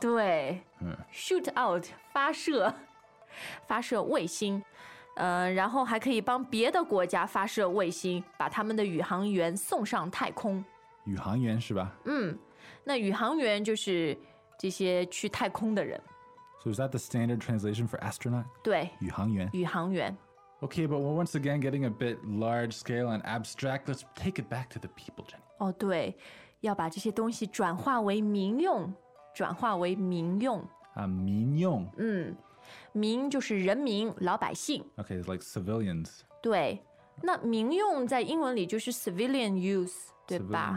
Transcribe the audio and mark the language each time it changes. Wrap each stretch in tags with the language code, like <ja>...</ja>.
<zh>对，</zh> <en>shoot out，</en> <zh>发射，发射卫星。然后还可以帮别的国家发射卫星，把他们的宇航员送上太空。宇航员是吧？嗯，那宇航员就是这些去太空的人。</zh> <en>So is that the standard translation for astronaut?</en> <zh>对，宇航员。宇航员。</zh> <en>Okay, but we're once again getting a bit large scale and abstract. Let's take it back to the people, Jenny.</en> <zh>哦，对，要把这些东西转化为民用，转化为民用。啊，民用。嗯。民就是人民，老百姓。</zh> <en>Okay, like civilians.</en> <zh>对，那民用在英文里就是</zh> <en>civilian use，</en> <zh>对吧？</zh>